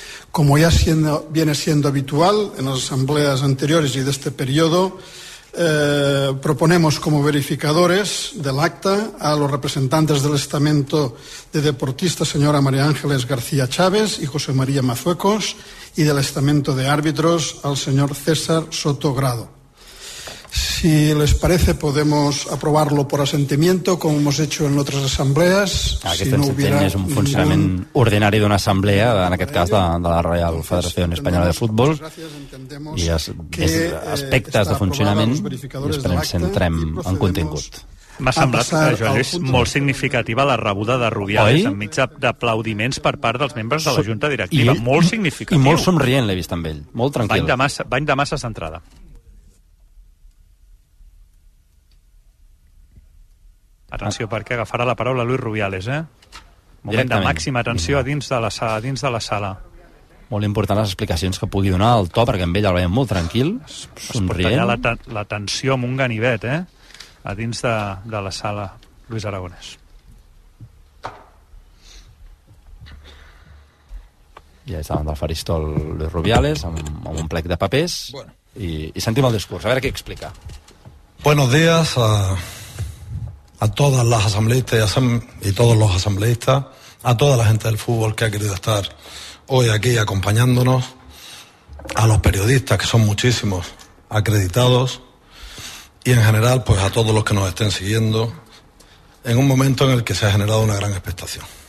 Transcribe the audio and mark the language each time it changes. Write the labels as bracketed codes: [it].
[es] Como ya viene siendo habitual en las asambleas anteriores y de este periodo, proponemos como verificadores del acta a los representantes del estamento de deportistas, señora María Ángeles García Chávez y José María Mazuecos, y del estamento de árbitros al señor César Soto Grado. Si les parece, podemos aprobarlo por asentimiento, como hemos hecho en otras asambleas. [ca] Aquest asentiment és un funcionament ordinari d'una assemblea, en aquest cas de la Real Federació Espanyola de Futbol, i des d'aspectes de funcionament, i esperem que centrem en contingut. M'ha semblat, Joan Lluís, molt significativa la rebuda de Rubiales en mig d'aplaudiments per part dels membres de la Junta Directiva. Molt significatiu. I molt somrient l'he vist amb ell, molt tranquil. Bany de massa centrada. Atenció, perquè agafarà la paraula Luis Rubiales, Moment de màxima atenció dins de la sala. Molt important les explicacions que pugui donar el to, perquè amb ell el veiem molt tranquil, somrient. Es pot tallar la tensió amb un ganivet, a dins de la sala, Luis Aragonés. Ja és davant del faristol Luis Rubiales, amb un plec de papers, bueno. I sentim el discurs, a veure què explica. [es] Buenos días a todas las asambleístas y todos los asambleístas, a toda la gente del fútbol que ha querido estar hoy aquí acompañándonos, a los periodistas, que son muchísimos acreditados, y en general, pues a todos los que nos estén siguiendo, en un momento en el que se ha generado una gran expectación.